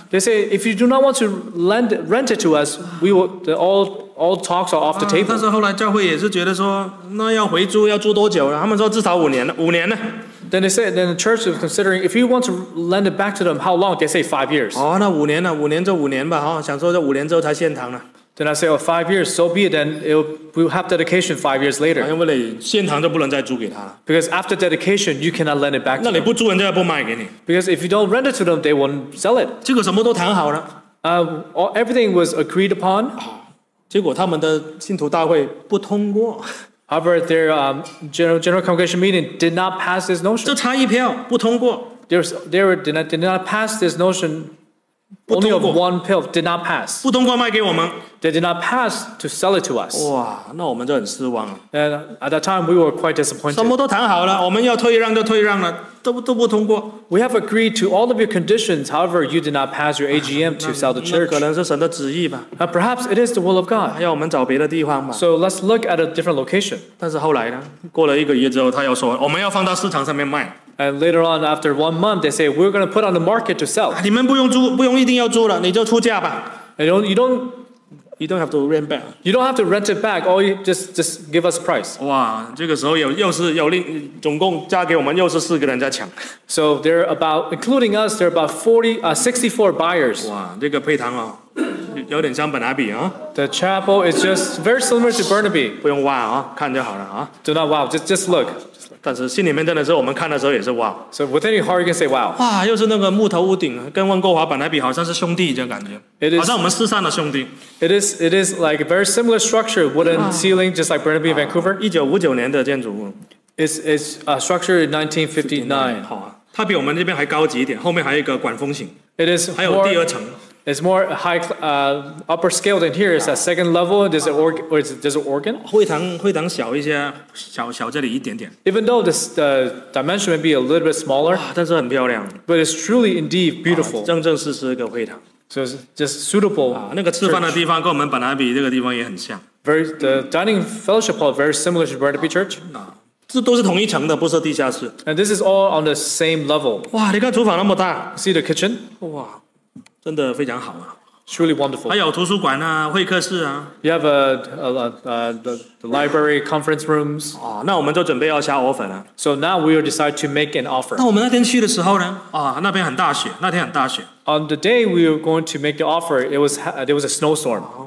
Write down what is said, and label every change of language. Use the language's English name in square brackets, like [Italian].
[English] They say if you do not want to rent it to us, we will all talks are off the table. [Chinese] 但是后来教会也是觉得说，那要回租要租多久呢？他们说至少五年呢。 [English] Then they said, then the church was considering if you want to lend it back to them, how long? They say 5 years. [Chinese] 那五年呢？五年就五年吧，想说这五年之后才献堂呢。 [English] Then I say, oh, 5 years, so be it. Then we'll have dedication 5 years later. [Chinese] 因为你献堂就不能再租给他了。 [English] Because after dedication, you cannot lend it back to them. [Chinese] 那你不租人家也不卖给你。 [English] Because if you don't rent it to them, they won't sell it. [Chinese] 这个什么都谈好了。 [English] Everything was agreed upon. [Chinese] 结果他们的信徒大会不通过。 [English] However, their general congregation meeting did not pass this notion. [Chinese] 这差一票不通过。 [English] They did not pass this notion. Only of one pill did not pass. [Chinese] 不通过卖给我们。 [English] They did not pass to sell it to us. [Chinese] 那我们就很失望了。 [English] And at that time, we were quite disappointed. [Chinese] 什么都谈好了，我们要退让就退让了，都不通过。 [English] We have agreed to all of your conditions. However, you did not pass your AGM to sell the church. [Chinese] 那可能是神的旨意吧。 [English] Perhaps it is the will of God. [Chinese] 要我们找别的地方吧。 [English] So let's look at a different location. [Chinese] 但是后来呢？过了一个月之后，他又说我们要放到市场上面卖。 [English] And later on, after 1 month, they say, we're going to put on the market to sell. [Chinese] 你们不用租，不用一定要租了，你就出价吧。 [English] You don't have to rent back. You don't have to rent it back, or you just give us price. [Chinese] 这个时候又是总共加给我们又是四个人在抢。 [English] So they're about, including us, they're about 64 buyers. [Chinese] 这个配堂有点像本拿比啊。 [English] The chapel is just very similar to Burnaby. [Chinese] 不用挖看就好了 [English] Do not wow, just look. [Chinese] 但是心里面真的是我们看的时候也是 wow. [English] So within your heart you can say wow. [Chinese] 又是那个木头屋顶跟温哥华本来比好像是兄弟这样感觉。好像我们四散的兄弟。 [English] It is like a very similar structure, wooden ceiling, just like Burnaby Vancouver. [Chinese] 1959年的建筑物。 [English] It's a structure in 1959. [Chinese] 它比我们这边还高级一点，后面还有一个管风琴。 [English] It is [Chinese] 还有第二层。 [English] It's more high, upper scale than here. It's a second level. There's an organ, or is there's an organ? [Chinese] 会堂小一些，小这里一点点。 [English] Even though this the dimension may be a little bit smaller, [Chinese] 但是很漂亮。 [English] But it's truly indeed beautiful. [Chinese] 正正是一个会堂。 [English] So it's just suitable. [Chinese] 那个吃饭的地方跟我们本来比这个地方也很像。 [English] Very the dining fellowship hall very similar to Burnaby Church. [Chinese] 这都是同一层的，不是地下室。 [English] And this is all on the same level. [Chinese] 哇，你看厨房那么大。 [English] See the kitchen. [Chinese] 哇。真的非常好啊 [English] ，truly wonderful. [Chinese] 还有图书馆啊，会客室啊。 [English] You have the library conference rooms. [Chinese] 哦，那我们就准备要下offer了。 [English] So now we will decide to make an offer. [Chinese] 那我们那天去的时候呢？啊，那边很大雪，那天很大雪。 [English] On the day we were going to make the offer, there was a snowstorm.